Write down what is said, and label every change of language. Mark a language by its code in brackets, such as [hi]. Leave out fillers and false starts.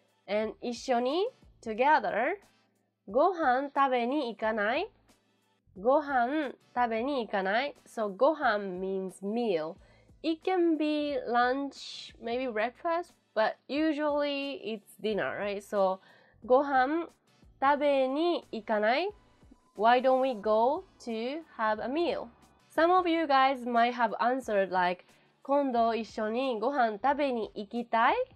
[en] And [ja] 一緒に [en] together, [ja] ご飯食べに行かない? [en] So, ご飯 means meal. It can be lunch, maybe breakfast, but usually it's dinner, right? [ja] So, ご飯食べに行かない? [en] Why don't we go to have a meal? Some of you guys might have answered like, [ja] 今度一緒にご飯食べに行きたい?